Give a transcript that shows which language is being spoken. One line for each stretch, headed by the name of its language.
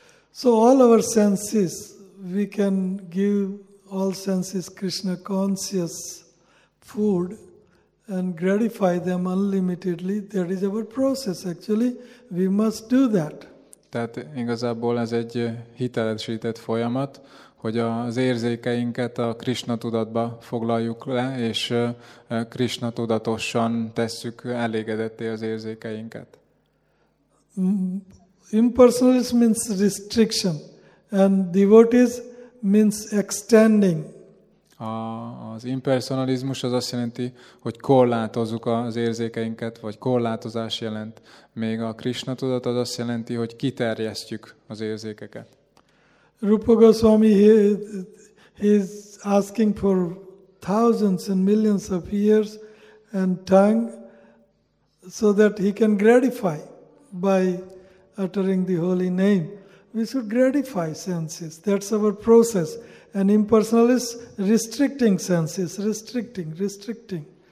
English: So all our senses, we can give all senses Krishna conscious food and gratify them unlimitedly. That is our process actually. We must do that.
Hungarian: Tehát igazából ez egy hitelesített folyamat, hogy az érzékeinket a Krishna tudatba foglaljuk le, és Krishna tudatosan tesszük elégedetté az érzékeinket.
English: Impersonalism means restriction, and devotees means extending.
Hungarian: Az impersonalizmus az azt jelenti, hogy korlátozzuk az érzékeinket, vagy korlátozás jelent. Még a Krishna tudat az azt jelenti, hogy kiterjesztjük az érzékeket.
English: Rupa Goswami, he is asking for thousands and millions of ears and tongue so that he can gratify by uttering the holy name. We should gratify senses. That's our process. An impersonalist restricting senses, restricting.